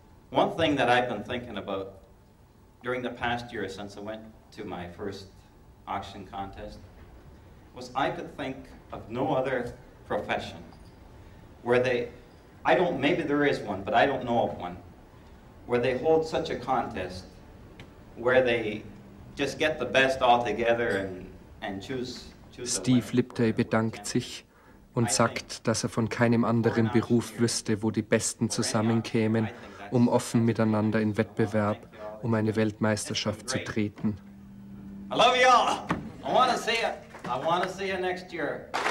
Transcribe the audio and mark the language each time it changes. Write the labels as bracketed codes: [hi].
[en] One thing that I've been thinking about during the past year since I went to my first auction contest was I could think of no other profession where they, I don't, maybe there is one, but I don't know of one, where they hold such a contest where they just get the best all together and choose [de] Steve Lipday bedankt sich und sagt, dass er von keinem anderen Beruf wüsste, wo die Besten zusammenkämen, um offen miteinander in Wettbewerb, um eine Weltmeisterschaft zu treten. [en] I love you all. I want to see you. I want to see you next year.